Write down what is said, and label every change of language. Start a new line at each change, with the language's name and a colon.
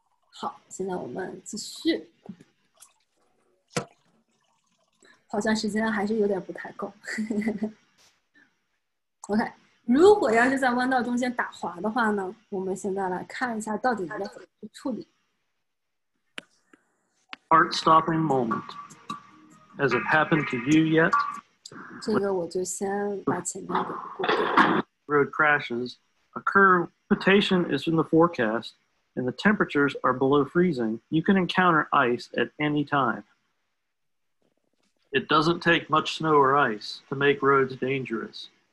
Chinese: 好，现在我们继续，好像时间还是有点不太够。 OK， 如果要是在弯道中间打滑的话呢，我们现在来看一下到底应该怎么去处理。
English: Heart stopping momentHas it happened to you yet?
Chinese: 这个我就先把前面的过
English: 掉。Road crashes occur. Precipitation is in the forecast, and the temperatures are below freezing. You can encounter ice at any time. It doesn't take much snow or ice to make roads dangerous.